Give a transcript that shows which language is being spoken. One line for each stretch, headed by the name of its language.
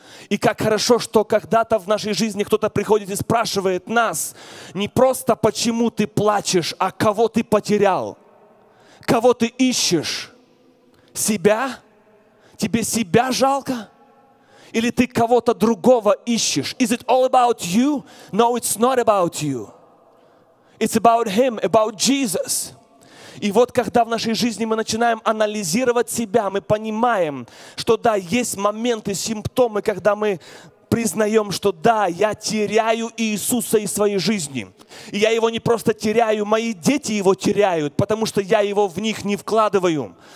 Russian: И как хорошо, что когда-то в нашей жизни кто-то приходит и спрашивает нас, не просто почему ты плачешь, а кого ты потерял, кого ты ищешь, себя? Тебе себя жалко? Или ты кого-то другого ищешь?
English: Is it all about you? No, it's not about you. It's about Him, about Jesus.
Russian: И вот когда в нашей жизни мы начинаем анализировать себя, мы понимаем, что да, есть моменты, симптомы, когда мы признаем, что да, я теряю Иисуса из своей жизни. И я его не просто теряю, мои дети его теряют, потому что я его в них не вкладываю.